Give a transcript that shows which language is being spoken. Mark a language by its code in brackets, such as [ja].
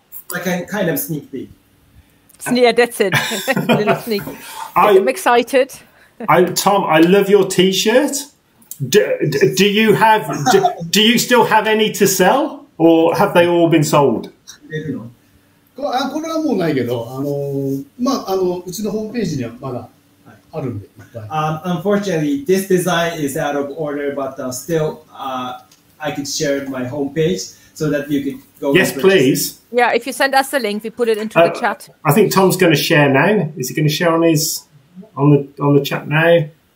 [en] Like a kind of sneak peek. Yeah, that's it. A little sneak. I'm excited. Tom, I love your T-shirt. Do you still have any to sell, or have they all been sold? [ja] これはもうないけど、まあ、うちのホームページにはまだあるんで、 [en] Unfortunately, this design is out of order, but still, I could share my homepage so that you could go. Yes, please. Yeah, if you send us the link, we put it into the chat. I think Tom's going to share now. Is he going to share on the chat now?